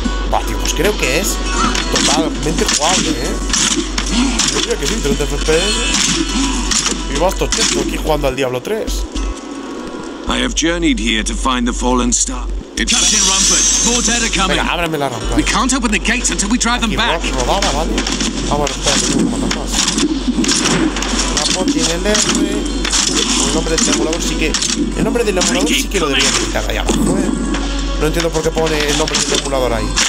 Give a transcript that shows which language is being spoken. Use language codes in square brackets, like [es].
[es] Bah, tío, pues creo que es totalmente jugable, ¿eh? Yo creo que sí, 30 FPS. Y vas tocheto aquí jugando al Diablo 3. [en] I have journeyed here to find the fallen star. Captain Rumford, four dead are coming. [es] Venga, ábreme la rampa. [en] We can't open the gates until we drive them back. [es] Rodaba, ¿vale? Vamos a esperar un momento más. Tiene el R. El nombre del emulador sí que. El nombre del emulador sí que lo debería quitar allá abajo, ¿eh? No entiendo por qué pone el nombre del emulador ahí.